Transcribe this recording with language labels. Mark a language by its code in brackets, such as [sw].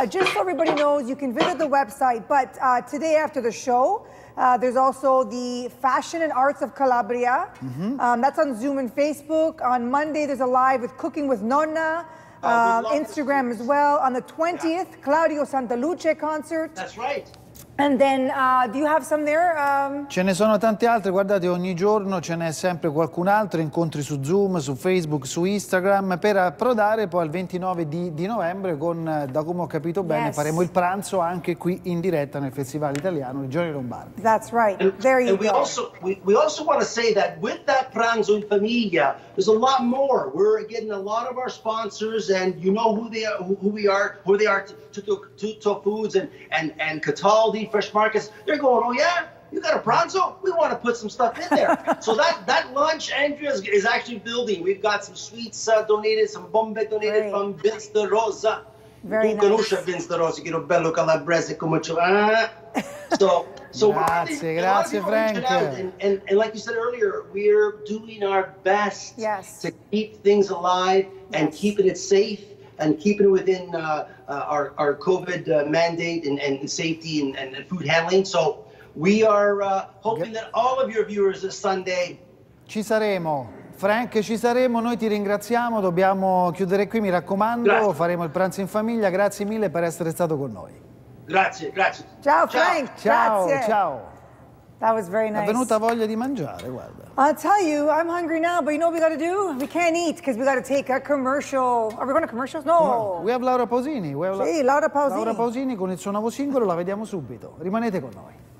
[en] Just so everybody knows, you can visit the website. But today after the show, there's also the Fashion and Arts of Calabria. Mm-hmm. That's on Zoom and Facebook. On Monday, there's a live with Cooking with Nonna. Instagram as well. On the 20th, Claudio Santaluce concert. That's right. And then, do you have some there? [it] Ce ne sono tante altre, guardate, ogni giorno ce n'è sempre qualcun altro, incontri su Zoom, su Facebook, su Instagram, per approdare poi il 29 di novembre con, da come ho capito bene, [en] yes, [it] faremo il pranzo anche qui in diretta nel Festival Italiano Regione Lombardia. [en] That's right, there you go. We also want to say that with that pranzo in famiglia, there's a lot more. We're getting a lot of our sponsors, and you know who they are, Tutto Foods and Catal, the fresh markets, they're going, oh yeah, you got a pranzo? We want to put some stuff in there. So that lunch, Andrea, is actually building. We've got some sweets donated, some bombe donated, from Vince De Rosa. Very [it] tu [en] nice. [it] Conosci Vince De Rosa, che bello calabrese, come c'è. [en] So [it] grazie, grazie Frank. [en] And like you said earlier, we're doing our best, yes, to keep things alive, yes, and keeping it safe, and keeping it within our COVID mandate and safety and food handling. So we are hoping that all of your viewers this Sunday. [it] Ci saremo. Frank, ci saremo. Noi ti ringraziamo. Dobbiamo chiudere qui, mi raccomando. Grazie. Faremo il pranzo in famiglia. Grazie mille per essere stato con noi. Grazie, grazie. Ciao, Frank. Ciao, grazie. Ciao. [en] That was very nice. [it] È venuta voglia di mangiare, guarda. [en] I'll tell you, I'm hungry now, but you know what we gotta do? We can't eat because we gotta take a commercial. Are we going to commercials? No. We have Laura Pausini. Laura Pausini. [it] Laura Pausini con il suo nuovo singolo, la vediamo subito. Rimanete con noi.